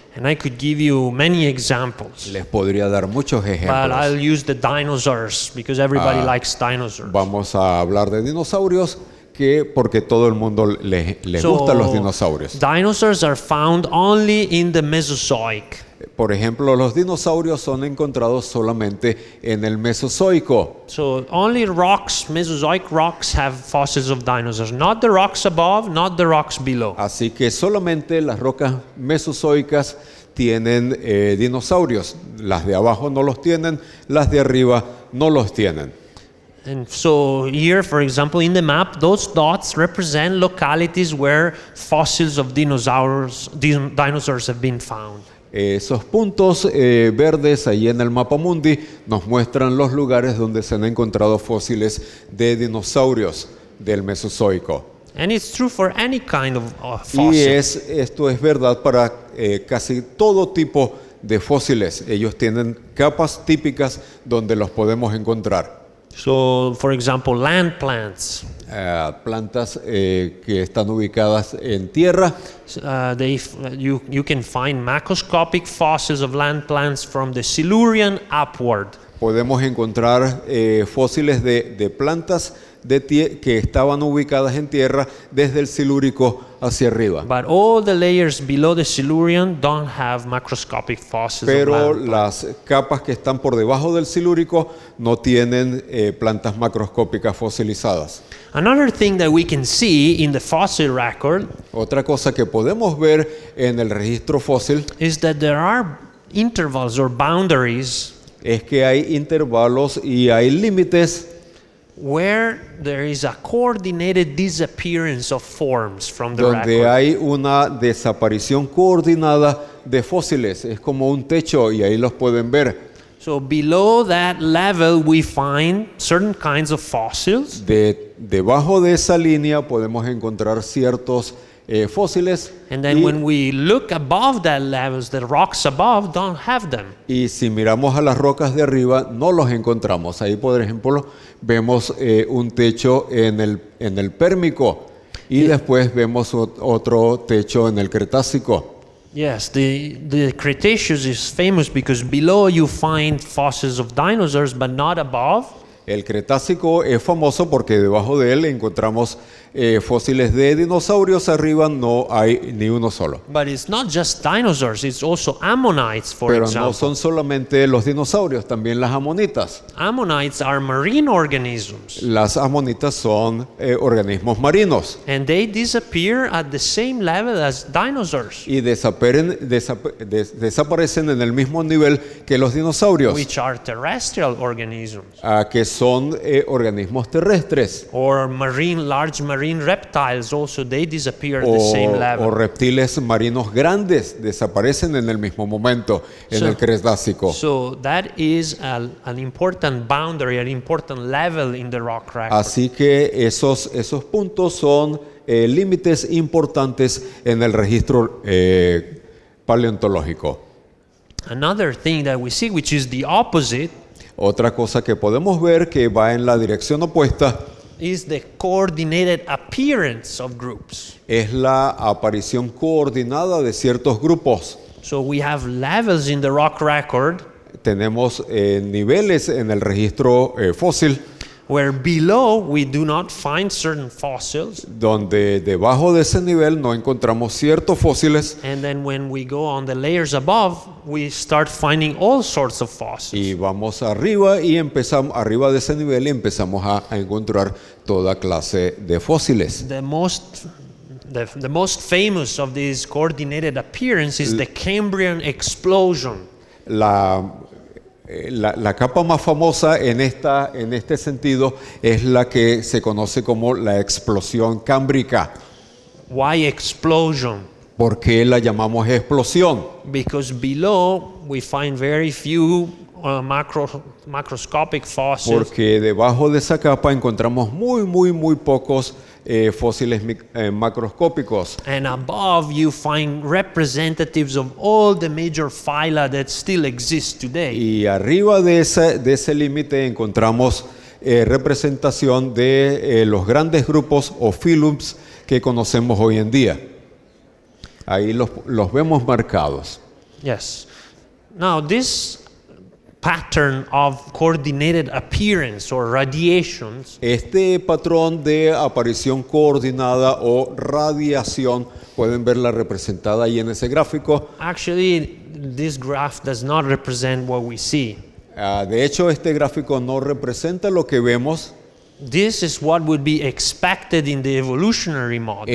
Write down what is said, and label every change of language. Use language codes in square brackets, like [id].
[en] And I could give you many examples. [es] Les podría dar muchos ejemplos. [en] But I'll use the dinosaurs because everybody likes dinosaurs. [es] Vamos a hablar de dinosaurios porque todo el mundo les gustan los dinosaurios. [en] Dinosaurs are found only in the Mesozoic. [es] Por ejemplo, los dinosaurios son encontrados solamente en el Mesozoico. [en] So only rocks, Mesozoic rocks, have fossils of dinosaurs. Not the rocks above, not the rocks below. [es] Así que solamente las rocas mesozoicas tienen dinosaurios. Las de abajo no los tienen, las de arriba no los tienen. [en] And so here, for example, in the map, those dots represent localities where fossils of dinosaurs have been found. [es] Esos puntos verdes ahí en el mapa mundi nos muestran los lugares donde se han encontrado fósiles de dinosaurios del Mesozoico. [en] And it's true for any kind of fossil. [es] Esto es verdad para casi todo tipo de fósiles. Ellos tienen capas típicas donde los podemos encontrar. [en] So, for example, land plants. [es] Plantas que están ubicadas en tierra. [en] You can find macroscopic fossils of land plants from the Silurian upward. [es] Podemos encontrar fósiles de plantas que estaban ubicadas en tierra desde el Silúrico hacia arriba. [en] But all the layers below the Silurian don't have macroscopic fossils. [es] Pero [en] of land plants. [es] Las capas que están por debajo del Silúrico no tienen plantas macroscópicas fosilizadas. [en] Another thing that we can see in the fossil record, [es] otra cosa que podemos ver en el registro fósil, [en] is that there are intervals or boundaries, [es] es que hay intervalos y hay límites, [en] where there is a coordinated disappearance of forms from the [es] donde Donde hay una desaparición coordinada de fósiles, es como un techo y ahí los pueden ver. [en] So below that level we find certain kinds of fossils. [es] Debajo de esa línea podemos encontrar ciertos fósiles. [en] And then when we look above that level, the rocks above don't have them. [es] Y si miramos a las rocas de arriba no los encontramos. Ahí por ejemplo vemos un techo en el Pérmico y después vemos otro techo en el Cretácico. [en] Yes, the Cretaceous is famous because below you find fossils of dinosaurs, but not above. [es] El Cretácico es famoso porque debajo de él encontramos fósiles de dinosaurios. Arriba no hay ni uno solo. [en] But it's not just dinosaurs; it's also ammonites, for [es] Pero [en] example. [es] Pero no son solamente los dinosaurios, también las ammonitas. [en] Ammonites are marine organisms. [es] Las ammonitas son organismos marinos. [en] And they disappear at the same level as dinosaurs. [es] Y desaparecen en el mismo nivel que los dinosaurios. [en] Which are terrestrial organisms. [es] Que son organismos terrestres. [en] Or marine reptiles also, they disappear at the same level. [es] O reptiles marinos grandes desaparecen en el mismo momento en el Cretácico. [en] So that is an important boundary, an important level in the rock record. [es] Así que esos puntos son límites importantes en el registro paleontológico. [en] Another thing that we see, which is the opposite, [es] otra cosa que podemos ver que va en la dirección opuesta, [en] is the coordinated appearance of groups. [es] Es la aparición coordinada de ciertos grupos. [en] So we have levels in the rock record. [es] Tenemos niveles en el registro fósil. [en] Where below we do not find certain fossils. [es] Donde debajo de ese nivel no encontramos ciertos fósiles. [en] And then when we go on the layers above, we start finding all sorts of fossils. [es] Y vamos arriba y empezamos arriba de ese nivel y empezamos a encontrar toda clase de fósiles. [en] The most famous of these coordinated appearances is the Cambrian explosion. [es] La capa más famosa en este sentido es la que se conoce como la explosión cámbrica. [en] Why explosion? [es] ¿Por qué la llamamos explosión? [en] Because below we find very few macroscopic fossils. [es] Porque debajo de esa capa encontramos muy pocos fósiles macroscópicos. [en] And above you find representatives of all the major phyla that still exist today. [es] Y arriba de ese límite encontramos representación de los grandes grupos o phylums que conocemos hoy en día. Ahí los vemos marcados. [en] Yes. Now this pattern of coordinated appearance or radiations. [es] Este patrón de aparición coordinada o radiación, pueden verla representada ahí en ese gráfico. [en] Actually, this graph does not represent what we see. [es] De hecho, este gráfico no representa lo que vemos. [en] This is what would be expected in the evolutionary model.